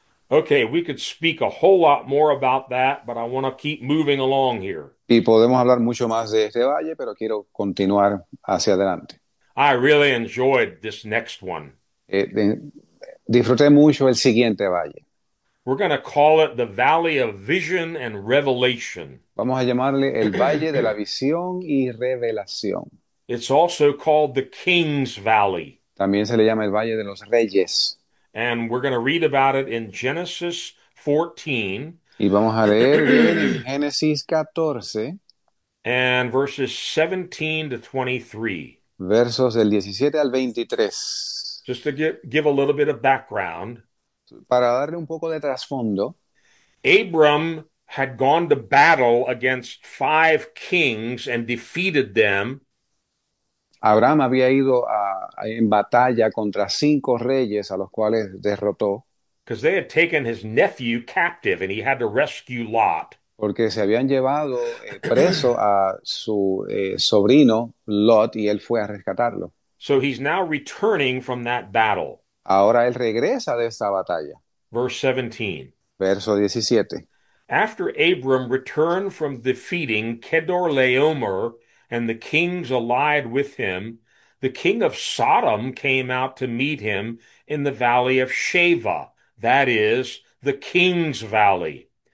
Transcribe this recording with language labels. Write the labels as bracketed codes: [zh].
[en] Okay, we could speak a whole lot more about that, but I want to keep moving along here. [es] Y podemos hablar mucho más de este valle, pero quiero continuar hacia adelante. [en] I really enjoyed this next one. [es] Disfruté mucho el siguiente valle. [en] We're going to call it the Valley of Vision and Revelation. [es] Vamos a llamarle el Valle de la Visión y Revelación. [en] It's also called the King's Valley. [es] También se le llama el Valle de los Reyes. [en] And we're going to read about it in Genesis 14 [es] Y vamos a leer de él en Génesis 14, [en] and verses 17 to 23. [es] versos del 17 al 23. [en] Just to give a little bit of background. [es] Para darle un poco de trasfondo. [en] Abram had gone to battle against five kings and defeated them. [es] Abraham había ido en batalla contra cinco reyes a los cuales derrotó, [en] Because they had taken his nephew captive and he had to rescue Lot. [es] porque se habían llevado preso a su sobrino Lot y él fue a rescatarlo. [en] So he's now returning from that battle. [es] Ahora él regresa de esta batalla. [en] Verse 17. [es] Verso 17. [en] After Abram returned from defeating Chedorlaomer and the kings allied with him, the king of Sodom came out to meet him in the valley of Sheva, that is, the king's valley.